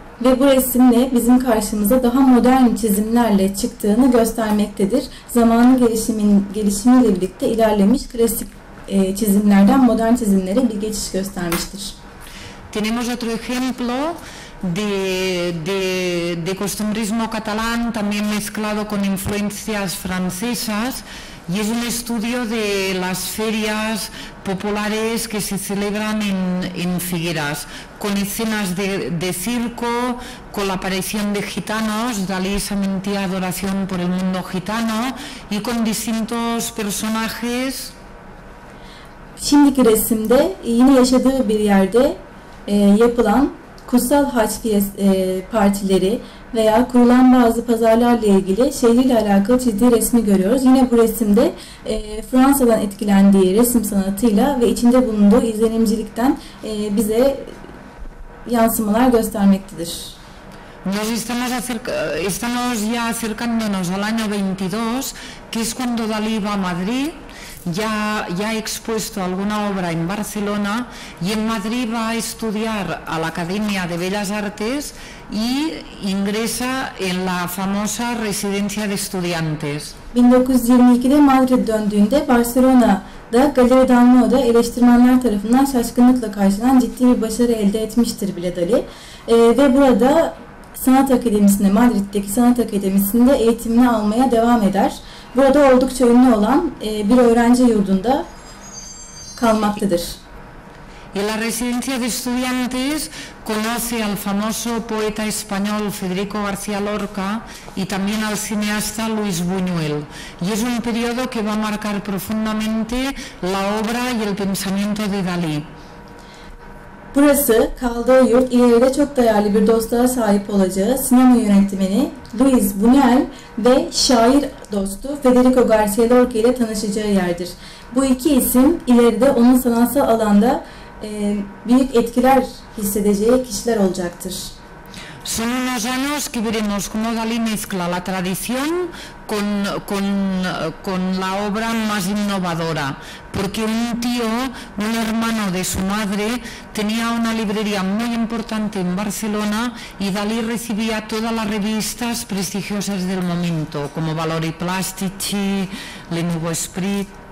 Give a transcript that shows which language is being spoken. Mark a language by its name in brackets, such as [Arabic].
[Turkish] Ve bu resimle bizim karşımıza daha modern çizimlerle çıktığını göstermektedir. Zamanın gelişimiyle birlikte ilerlemiş klasik çizimlerden modern çizimlere bir geçiş göstermiştir. [Spanish] Tenemos otro ejemplo de costumbrismo catalán también mezclado con influencias francesas y es un estudio de las ferias populares que se celebran en Figueras con escenas de circo, con la aparición de gitanos, Dalí sentía adoración por el mundo gitano y con distintos personajes. [Turkish] Şimdiki resimde yine yaşadığı bir yerde yapılan kutsal haç partileri veya kurulan bazı pazarlarla ilgili şehirle alakalı çizdiği resmi görüyoruz. Yine bu resimde Fransa'dan etkilendiği resim sanatıyla ve içinde bulunduğu izlenimcilikten bize yansımalar göstermektedir. [Spanish] Nos estamos ya acercándonos al año 22, que es cuando Dalí va a Madrid. Ya ha expuesto alguna obra en Barcelona y en Madrid va a estudiar a la Academia de Bellas Artes y ingresa en la famosa Residencia de Estudiantes. [Turkish] 1922'de Madrid'e döndüğünde Barcelona'da Galeri Dalmau'da eleştirmenler tarafından şaşkınlıkla karşılanan ciddi bir başarı elde etmiştir bile Dalí. Ve burada Sanat Akademisi'nde, Madrid'deki Sanat Akademisi'nde eğitimini almaya devam eder. Burada oldukça ünlü olan bir öğrenci yurdunda kalmaktadır. [Spanish] En la residencia de estudiantes conoce al famoso poeta español Federico García Lorca y también al cineasta Luis Buñuel. Y es un periodo que va a marcar profundamente la obra y el pensamiento de Dalí. [Turkish] Burası, kaldığı yurt, ileride çok değerli bir dostluğa sahip olacağı sinema yönetmeni Luis Buñuel ve şair dostu Federico García Lorca ile tanışacağı yerdir. Bu iki isim ileride onun sanatsal alanda büyük etkiler hissedeceği kişiler olacaktır. [Spanish] Son unos años que veremos cómo Dalí mezcla la tradición con la obra más innovadora, porque un tío, un hermano de su madre, tenía una librería muy importante en Barcelona y Dalí recibía todas las revistas prestigiosas del momento, como Valor y Plastici, Le Nouveau Esprit.